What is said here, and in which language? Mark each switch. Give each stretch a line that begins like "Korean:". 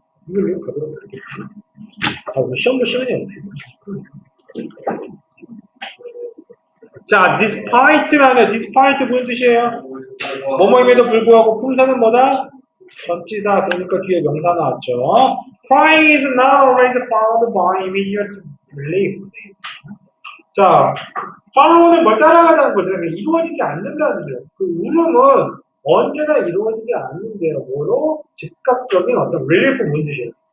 Korean: 이걸 왜 가져가야 되겠지? 아, 오늘 시험도 시간이 없네. 자, despite라면, despite 무슨 뜻이에요? 뭐뭐임에도 불구하고, 품사는 뭐다? 전치사, 그러니까 뒤에 명사 나왔죠.
English: Crying is not always followed by immediate relief.
Korean: 자, follow는 뭘 따라간다는 거죠? 이루어지지 않는다는 거죠. 그 울음은 언제나 이루어지지 않는 대로 즉각적인 어떤 relief 무슨 뜻이에요?